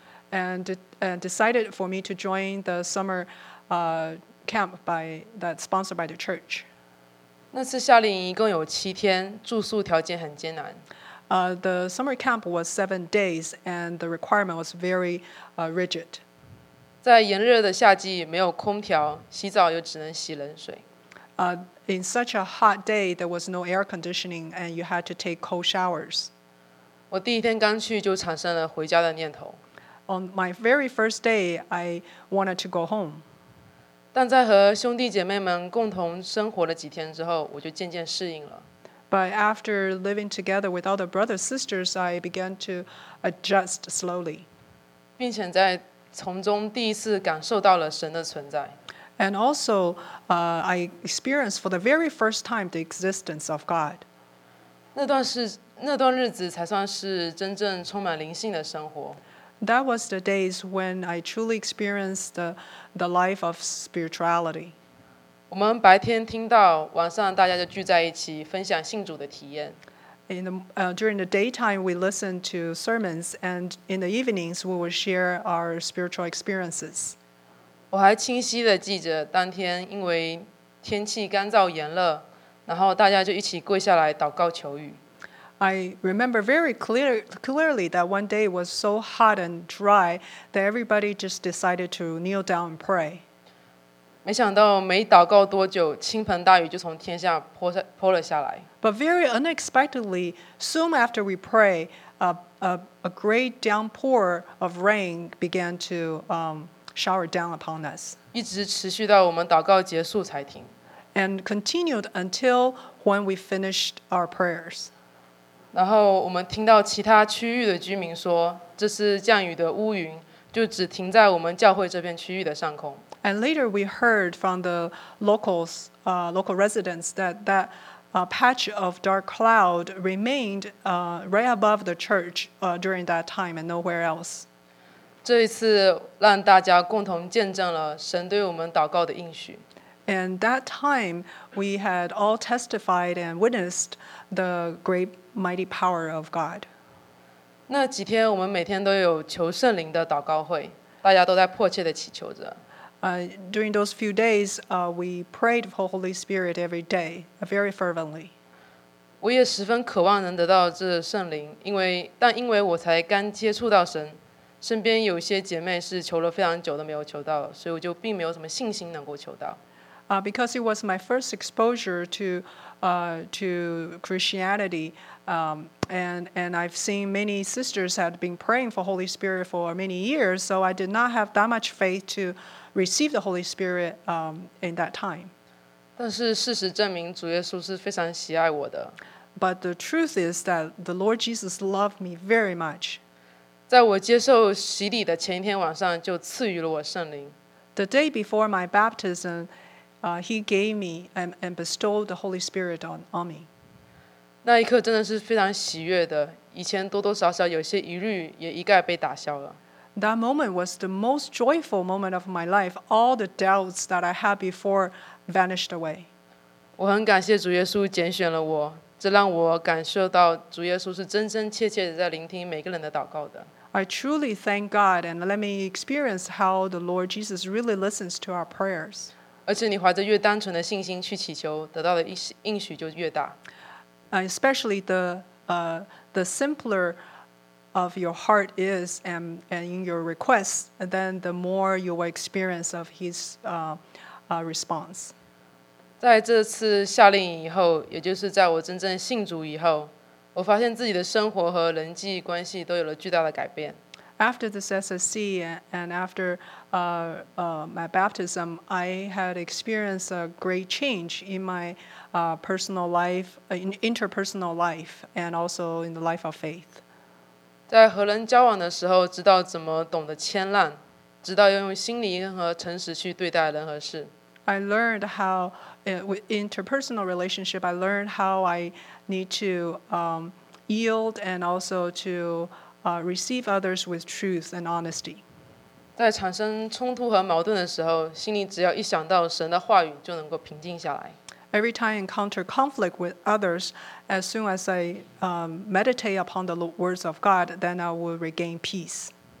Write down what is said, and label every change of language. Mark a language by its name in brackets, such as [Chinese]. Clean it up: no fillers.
[English] And decided for me to join the summer camp that's sponsored by the church. [Chinese] 那次夏令营一共有七天，住宿条件很艰难。 [English] The summer camp was 7 days, and the requirement was very rigid. [Chinese] 在炎热的夏季，没有空调，洗澡又只能洗冷水。 [English] In such a hot day, there was no air conditioning, and you had to take cold showers. [Chinese] 我第一天刚去就产生了回家的念头。 [English] On my very first day, I wanted to go home. [Chinese] 但在和兄弟姐妹们共同生活了几天之后，我就渐渐适应了。 [English] But after living together with all the brothers and sisters, I began to adjust slowly. And also, I experienced for the very first time the existence of God. [Chinese] 那段日子才算是真正充满灵性的生活。 [English] That was the days when I truly experienced the life of spirituality. [Chinese] 我们白天听到，晚上大家就聚在一起分享信主的体验。 [English] During the daytime, we listen to sermons, and in the evenings, we will share our spiritual experiences. [Chinese] 我还清晰地记着当天，因为天气干燥炎热，然后大家就一起跪下来祷告求雨。 [English] I remember very clearly that one day was so hot and dry that everybody just decided to kneel down and pray. [Chinese] 没想到没祷告多久，倾盆大雨就从天下泼了下来。 [English] But very unexpectedly, soon after we pray, a great downpour of rain began to shower down upon us. [Chinese] 一直持续到我们祷告结束才停。 [English] And continued until when we finished our prayers. [Chinese] 然后我们听到其他区域的居民说，这是降雨的乌云，就只停在我们教会这片区域的上空。 [English] And later we heard from the locals, local residents, that patch of dark cloud remained right above the church during that time and nowhere else. [Chinese] 这一次让大家共同见证了神对我们祷告的应许。 [English] And that time we had all testified and witnessed the great mighty power of God. [Chinese] 那几天我们每天都有求圣灵的祷告会，大家都在迫切地祈求着。 [English] During those few days, we prayed for the Holy Spirit every day, very fervently. [Chinese] 我也十分渴望能得到这圣灵，因为我才刚接触到神，身边有些姐妹是求了非常久都没有求到，所以我就并没有什么信心能够求到。 [English] Because it was my first exposure to Christianity, and I've seen many sisters had been praying for Holy Spirit for many years, so I did not have that much faith to receive the Holy Spirit in that time. [Chinese] 但是事实证明主耶稣是非常喜爱我的。 [English] But the truth is that the Lord Jesus loved me very much. [Chinese] 在我接受洗礼的前一天晚上就赐予了我圣灵。 [English] The day before my baptism, he gave me and bestowed the Holy Spirit on me. [Chinese] 那一刻真的是非常喜悦的，以前多多少少有些疑虑也一概被打消了。 [English] That moment was the most joyful moment of my life. All the doubts that I had before vanished away. [Chinese] 我很感谢主耶稣拣选了我，这让我感受到主耶稣是真真切切的在聆听每个人的祷告的。 [English] I truly thank God, and let me experience how the Lord Jesus really listens to our prayers. [Chinese] 而且你怀着越单纯的信心去祈求，得到的应许就越大。 [English] Especially the simpler. Of your heart is and in your requests, then the more you will experience of His response. [Chinese] 在这次夏令营以后，也就是在我真正信主以后，我发现自己的生活和人际关系都有了巨大的改变。 [English] after this SSC and after my baptism, I had experienced a great change in my personal life, in interpersonal life, and also in the life of faith. [Chinese] 在和人交往的时候，知道怎么懂得谦让，知道要用心灵和诚实去对待人和事。 [English] I learned how, in interpersonal relationship, I learned how I need to yield and also to receive others with truth and honesty. [Chinese] 在产生冲突和矛盾的时候，心里只要一想到神的话语，就能够平静下来。 [English] Every time I encounter conflict with others, as soon as I meditate upon the words of God, then I will regain peace.